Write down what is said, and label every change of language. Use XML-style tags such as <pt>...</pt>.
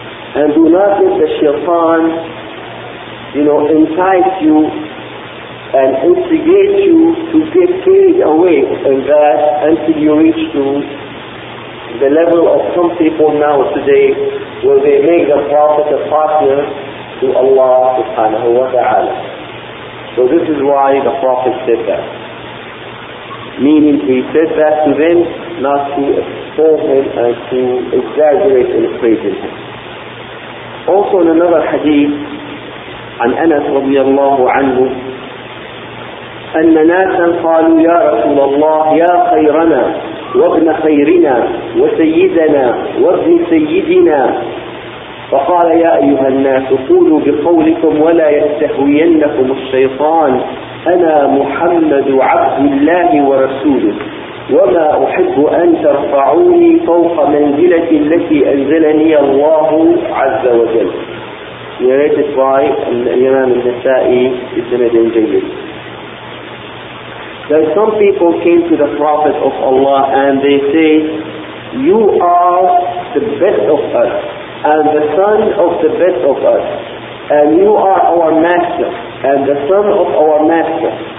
<en>And do not let the shaitan, you know, entice you and instigate you to get carried away in that until you reach to the level of some people now today where they make the Prophet a partner to Allah subhanahu wa ta'ala. So this is why the Prophet said that. Meaning he said that to them not to expose him and to exaggerate and praise him. Also in another hadith,</en> <ar>عن أنس رضي الله عنه أن ناسا قالوا يا رسول الله يا خيرنا وابن خيرنا وسيدنا وابن سيدنا فقال يا أيها الناس قولوا بقولكم ولا يستهوينكم الشيطان أنا محمد عبد الله ورسوله وما أحب أن ترفعوني فوق منزلة التي أنزلني الله عز وجل.</ar> <en>Narrated by Imam al-Nasa'i, Ibn al-Jayyid. That some people came to the Prophet of Allah and they say, you are the best of us and the son of the best of us, and you are our master and the son of our master.</en>